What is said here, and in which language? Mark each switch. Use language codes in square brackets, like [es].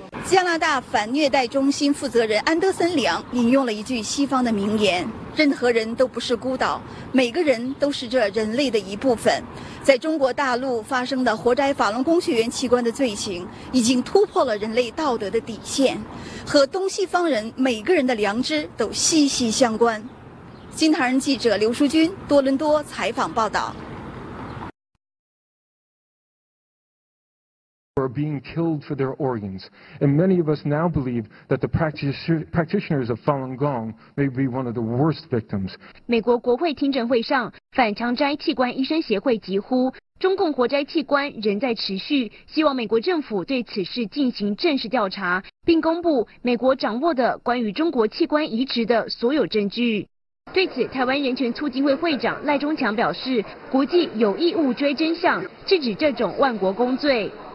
[zh] 加拿大反虐待中心负责人安德森梁引用了一句西方的名言，任何人都不是孤岛，每个人都是这人类的一部分。在中国大陆发生的活摘法轮功学员器官的罪行已经突破了人类道德的底线，和东西方人每个人的良知都息息相关。新唐人记者刘淑君多伦多采访报道。 [en] Are being killed for their organs, and many of us now believe that the practitioners of Falun Gong may be one of the worst victims. [zh] 美国国会听证会上，反强摘器官医生协会疾呼，中共活摘器官仍在持续，希望美国政府对此事进行正式调查，并公布美国掌握的关于中国器官移植的所有证据。对此，台湾人权促进会会长赖中强表示，国际有义务追真相，制止这种万国公罪。